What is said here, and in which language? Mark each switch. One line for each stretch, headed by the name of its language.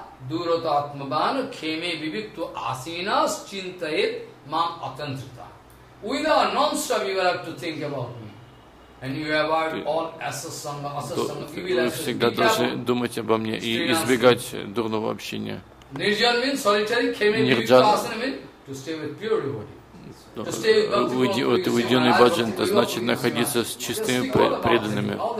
Sanskrit: Дурата атмабан кхеме вивикту асина счинтает мам атантрита.
English: We are non-stop, you have to think about me. And you have all asasanga,
Russian: asasanga. Вы всегда должны думать обо мне и избегать дурного общения.
English: Нирджан means solitary,
Sanskrit: кхеме вивикту асина
English: means to stay with pure devotee.
Russian: Вот уединенный баджан, это значит находиться с чистыми преданными.